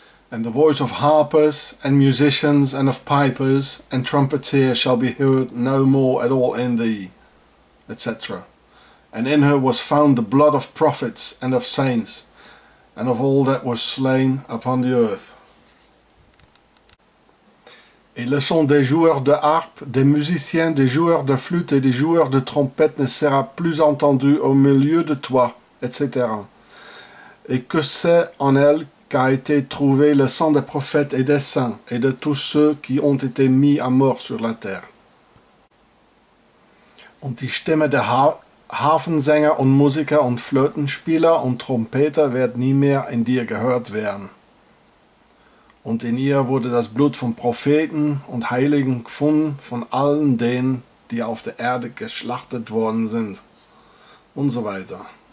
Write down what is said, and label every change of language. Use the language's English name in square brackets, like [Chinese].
[English] and the voice of harpers and musicians and of pipers and trumpeteers shall be heard no more at all in thee, etc. And in her was found the blood of prophets and of saints and of all that were slain upon the earth. [French] Et le son des joueurs de harpe, des musiciens, des joueurs de flûte et des joueurs de trompette ne sera plus entendu au milieu de toi, etc. Et que c'est en elle qu'a été trouvé le sang des prophètes et des saints et de tous ceux qui ont été mis à mort sur la terre. [German] Und die Stimme der Harfensänger und Musiker und Flötenspieler und Trompeter wird nie mehr in dir gehört werden. Und in ihr wurde das Blut von Propheten und Heiligen gefunden, von allen denen, die auf der Erde geschlachtet worden sind. Und so weiter.